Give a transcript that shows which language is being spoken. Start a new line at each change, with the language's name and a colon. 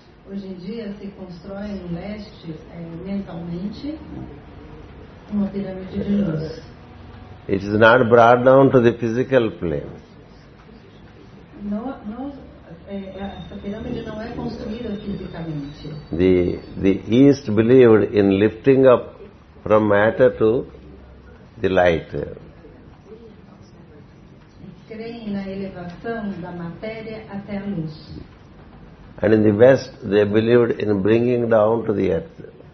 Portuguese: Hoje em dia se constrói no leste mentalmente uma pirâmide de luz.
English: It is not brought down to the physical plane.
Portuguese: Não essa pirâmide não é construída fisicamente.
English: The East believed in lifting up from matter to the light.
Portuguese: Creem na elevação da matéria até a luz.
English: And in the West, they believed in bringing down to the earth.